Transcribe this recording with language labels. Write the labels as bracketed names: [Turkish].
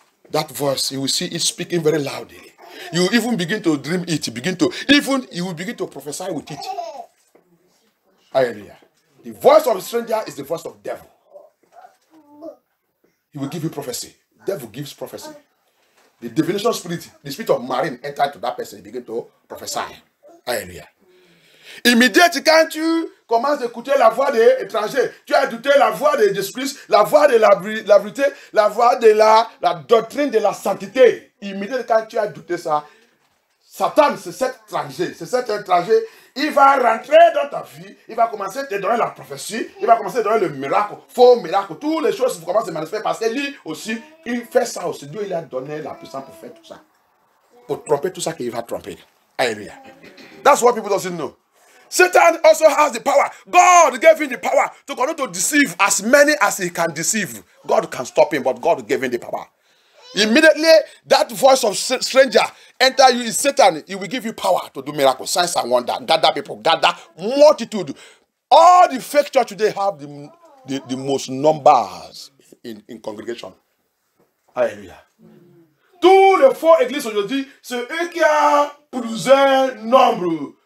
[English] That voice, you will see it speaking very loudly. You even begin to dream it, you will begin to prophesy with it. Hallelujah. The voice of a stranger is the voice of the devil. He will give you prophecy. Devil gives prophecy. The divination spirit, the spirit of marine, enter into that person and begin to prophesy. Hallelujah. [French] Immediately, quand tu commences à écouter la voix des étrangers, tu as douté la voix de Jésus-Christ, la voix de la vérité, la voix de la doctrine de la sainteté. Immédiatement, quand tu as douté ça, Satan, c'est cet étranger. Il va rentrer dans ta vie, il va commencer à te donner la prophétie, il va commencer à te donner le miracle, faux miracle, toutes les choses vont commencer à se manifester parce que lui aussi, il fait ça aussi. Dieu, il a donné la puissance pour faire tout ça. Pour tromper tout ça qu'il va tromper. Alléluia. [English] That's what people doesn't know. Satan also has the power. God gave him the power to continue to deceive as many as he can deceive. God can stop him, but God gave him the power. Immediately, that voice of stranger enter you is Satan. He will give you power to do miracles, signs and wonders. Gather people, gather multitude. All the fake church today have the most numbers in congregation. Alléluia. [French] Tous les faux églises aujourd'hui, c'est eux qui ont plusieurs nombres.